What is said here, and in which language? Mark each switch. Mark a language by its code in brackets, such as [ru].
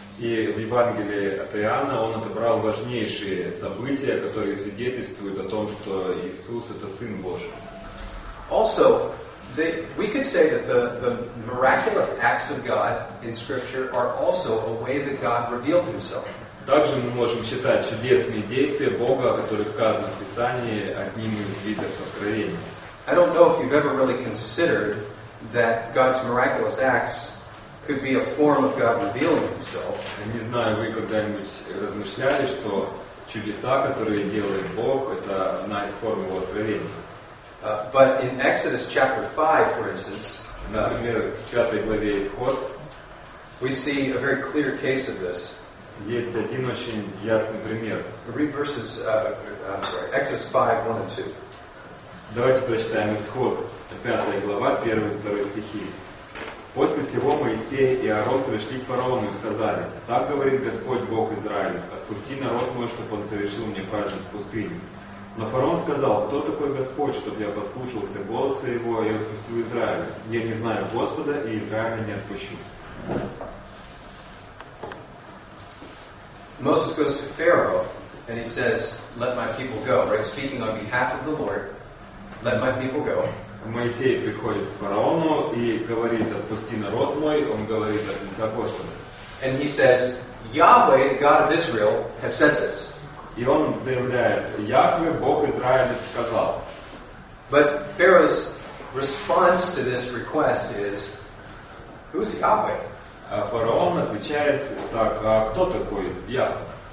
[ru] И в Евангелии от Иоанна он отобрал важнейшие события, которые свидетельствуют о том, что Иисус это Сын Божий. [en] Also, we could say that the miraculous acts of God in Scripture are also a way that God revealed Himself. [ru] Также мы можем считать чудесные действия Бога, о которых сказано в Писании, одним из видов откровения. [en] I don't know if you've ever really considered that God's miraculous acts could be a form of God revealing Himself. [ru] Я не знаю, вы когда-нибудь размышляли, что чудеса, которые делает Бог, это одна из форм Его откровения. [en] But in Exodus chapter 5, for instance, [ru] например, в пятой главе Исход, [en] we see a very clear case of this. [ru] Есть один очень ясный пример. [en] Read verses, I'm sorry, Exodus 5, 1 and 2. [ru] Давайте прочитаем Исход, 5 глава, 1 и 2 стихи. «После сего Моисей и Аарон пришли к фараону и сказали, «Так говорит Господь Бог Израилев, отпусти народ мой, чтобы он совершил мне праздник в пустыне». Но фараон сказал, «Кто такой Господь, чтобы я послушался голоса его и отпустил Израиля? Я не знаю Господа, и Израиля не отпущу». [en] Moses goes to Pharaoh, and he says, «Let my people go», right? Speaking on behalf of the Lord. Let my people go. [ru] Моисей приходит к фараону и говорит, отпусти народ мой, он говорит от лица Господа. [en] And he says, Yahweh, the God of Israel, has said this. [ru] И он заявляет, Яхве, Бог Израиля, сказал. [en] But Pharaoh's response to this request is, who's Yahweh? [ru] А фараон отвечает, так, а кто такой Яхве?